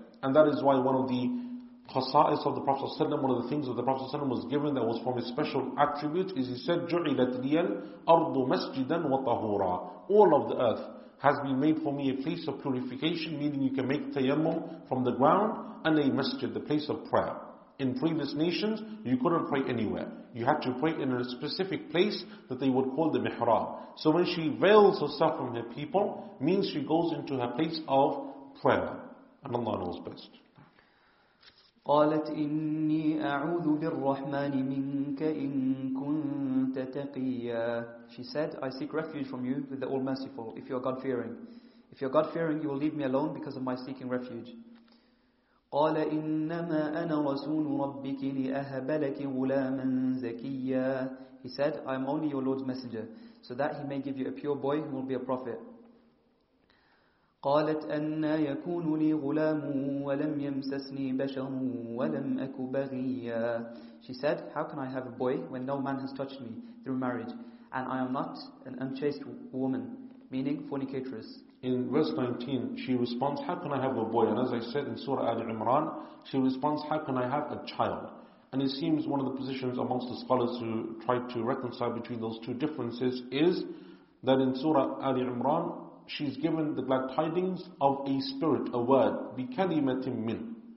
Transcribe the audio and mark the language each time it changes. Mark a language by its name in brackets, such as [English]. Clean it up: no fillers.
[English] And that is why one of the Khasa'is of the Prophet ﷺ, one of the things that the Prophet ﷺ was given that was from his special attribute, is he said, [Arabic] جُعِلَتْ لِيَ الْأَرْضُ مَسْجِدًا وَطَهُورًا [English] All of the earth has been made for me a place of purification, meaning you can make tayammum from the ground and a masjid, the place of prayer. In previous nations, you couldn't pray anywhere. You had to pray in a specific place that they would call the mihrab. So when she veils herself from her people, means she goes into her place of prayer. And Allah knows best. [Arabic] قالت إني أعوذ بالرحمن منك إن كنت تقيا. [English] She said, I seek refuge from you with the All Merciful, if you are God fearing. If you are God fearing, you will leave me alone because of my seeking refuge. [Arabic] قال إنما أنا رسول ربك لأهب لك غلاما زكيا. [English] He said, I am only your Lord's messenger, so that he may give you a pure boy who will be a prophet. [Arabic] قالت أنى يكون لي غلام ولم يمسسني بشر ولم أك بغيا. [English] She said, how can I have a boy when no man has touched me through marriage, and I am not an unchaste woman, meaning fornicatress. In verse 19, she responds, how can I have a boy? And as I said in Surah Ali Imran, she responds, how can I have a child? And it seems one of the positions amongst the scholars who tried to reconcile between those two differences is that in Surah Ali Imran, she's given the glad tidings of a spirit, a word, [Arabic] بِكَلِمَةٍ مِّنْ.